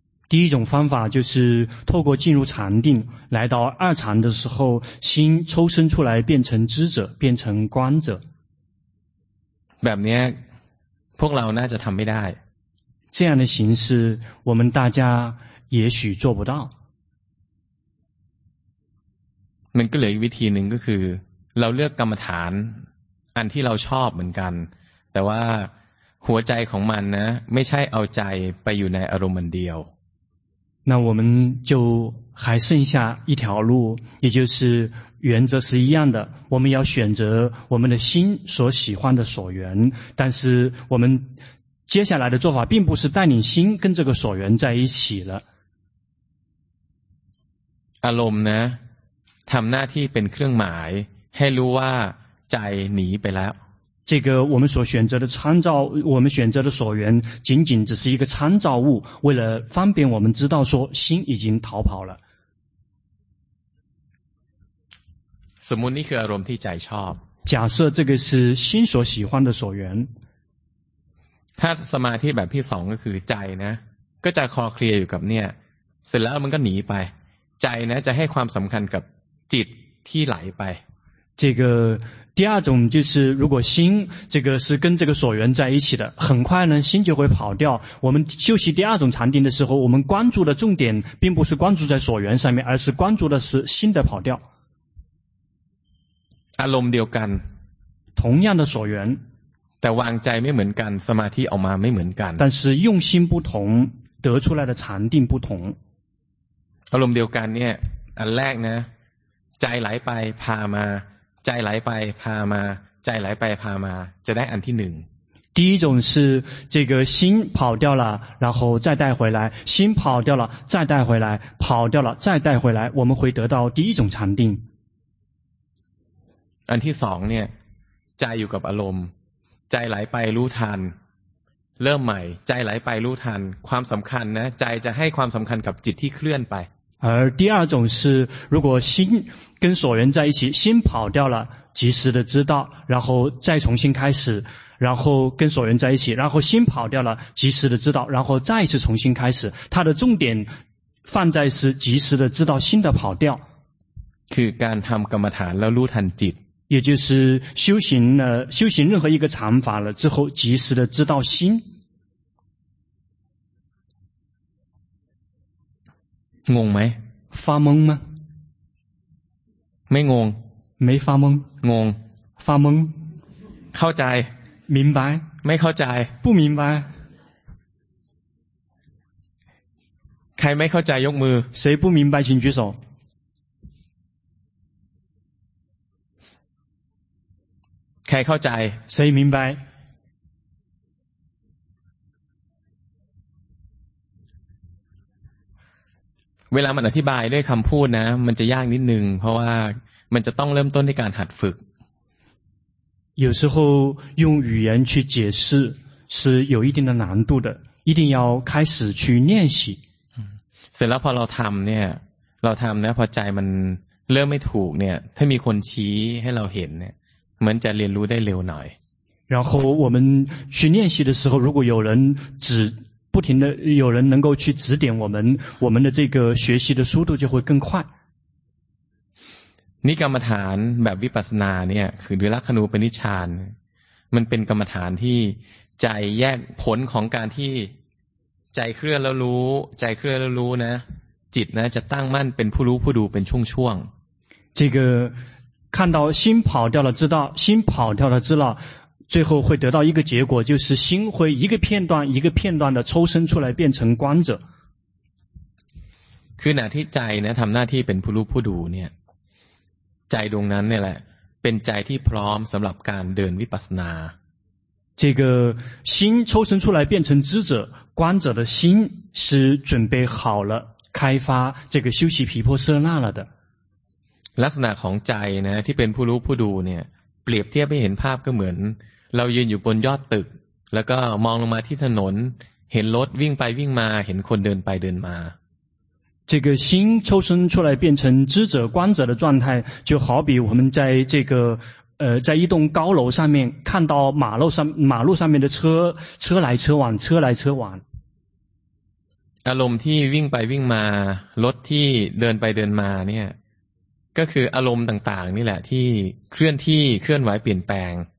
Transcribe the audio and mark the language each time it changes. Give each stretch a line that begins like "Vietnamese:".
Chinese: 第一种方法就是透过进入禅定来到二禅的时候心抽身出来变成知者变成观者
Thai: แบบนี้พวกเราน่าจะทำไม่ได้
Chinese: 这样的形式我们大家也许做不到
Thai: มันก็เหลืออีกวิธีหนึ่งก็คือเราเลือกกรรมฐานอันที่เราชอบเหมือนกันแต่ว่า หัวใจของมันนะไม่ใช่เอาใจไปอยู่ในอารมณ์เดียว
Chinese: 那我们就还剩下一条路，也就是原则是一样的，我们要选择我们的心所喜欢的所缘，但是我们接下来的做法并不是带领心跟这个所缘在一起了。
Thai: อารมณ์นะทำหน้าที่เป็นเครื่องหมายให้รู้ว่าใจหนีไปแล้ว
Chinese: 这个我们所选择的参照，我们选择的所缘，仅仅只是一个参照物，为了方便我们知道说心已经逃跑了。
Thai: สมมุตินี่คืออารมณ์ที่ใจชอบ。
Chinese: 假设这个是心所喜欢的所缘。
Thai: ถ้าสมาธิแบบที่สองก็คือใจนะก็จะคลอเคลียร์อยู่กับเนี่ยเสร็จแล้วมันก็หนีไปใจนะจะให้ความสำคัญกับจิตที่ไหลไป。
Chinese: 这个第二种就是如果心这个是跟这个所缘在一起的很快呢心就会跑掉我们修习第二种禅定的时候我们关注的重点并不是关注在所缘上面而是关注的是心的跑掉
Thai: อารมณ์เดียวกัน
Chinese: 同样的所缘
Thai: แต่วางใจไม่เหมือนกันสมาธิออกมาไม่เหมือนกัน
Chinese: 但是用心不同得出来的禅定不同
Thai: อารมณ์เดียวกันเนี่ยอันแรกนะใจไหลไปพามาใจไหลไปพามาใจไหลไปพามาจะได้อันที่หนึ่ง
Chinese: 第一种是这个心跑掉了然后再带回来心跑掉了再带回来跑掉了再带回来我们会得到第一种禅定
Thai: อันที่สองเนี่ยใจอยู่กับอารมณ์ใจไหลไปรู้ทันเริ่มใหม่ใจไหลไปรู้ทันความสำคัญนะใจจะให้ความสำคัญกับจิตที่เคลื่อนไป
Chinese: 而第二种是如果心跟所缘在一起心跑掉了及时的知道然后再重新开始然后跟所缘在一起然后心跑掉了及时的知道然后再一次重新开始它的重点放在是及时的知道心的跑掉
Thai: คือการทำกรรมฐานแล้วรู้ทันจิต
Chinese: 也就是修行了修行任何一个禅法了之后及时的知道心
Thai: งงไหม
Chinese: 发懵吗
Thai: ไม่งง
Chinese: 没发懵
Thai: งง
Chinese: 发懵
Thai: เข้าใจ
Chinese: 明白
Thai: ไม่เข้าใจ
Chinese: 不明白
Thai: ใครไม่เข้าใจยกมือ
Chinese: 谁不明白请举手
Thai: ใครเข้าใจ
Chinese: 谁明白
Thai: เวลามันอธิบายด้วยคำพูดนะมันจะยากนิดนึงเพราะว่ามันจะต้องเริ่มต้นในการหัดฝึก
Chinese: 有时候用语言去解释是有一定的难度的一定要开始去练习
Thai: เสร็จแล้วพอเราทำเนี่ยเราทำนะพอใจมันเริ่มไม่ถูกเนี่ยถ้ามีคนชี้ให้เราเห็นเนี่ยเหมือนจะเรียนรู้ได้เร็วหน่อย
Chinese: 然后我们去练习的时候如果有人指不停的有人能够去指点我们我们的这个学习的速度就会更快
Thai: นี่กรรมฐานแบบวิปัสสนาเนี่ยคือวิรัคคณูปนิชฌานมันเป็นกรรมฐานที่ใจแยกผลของการที่ใจเคลื่อนแล้วรู้ใจเคลื่อนแล้วรู้นะจิตนะจะตั้งมั่นเป็นผู้รู้ผู้ดูเป็นช่วง
Chinese: ๆ这个看到心跑掉了知道心跑掉了知道最后会得到一个结果就是心会一个片段一个片段的抽身出来变成观者
Thai: คือหน้าที่ใจนะทำหน้าที่เป็นผู้รู้ผู้ดูเนี่ยใจดวงนั้นเนี่ยแหละเป็นใจที่พร้อมสำหรับการเดินวิปัสสนา
Chinese: 这个心抽身出来变成知者观者的心是准备好了开发这个修习毗婆舍那了的
Thai: ลักษณะของใจนะที่เป็นผู้รู้ผู้ดูเนี่ยเปรียบเทียบไม่เห็นภาพก็เหมือนเรายืนอยู่บนยอดตึกแล้วก็มองลงมาที่ถนนเห็นรถวิ่งไปวิ่งมาเห็นคนเดินไปเดินมา
Chinese: 这个心抽身出来变成知者观者的状态就好比我们在这个在一栋高楼上面看到马路上面的车来车往车来车往
Thai: อารมณ์ที่วิ่งไปวิ่งมารถที่เดินไปเดินมาเนี่ยก็คืออารมณ์ต่างๆนี่แหละที่เคลื่อนที่เคลื่อนไหวเปลี่ยนแปลง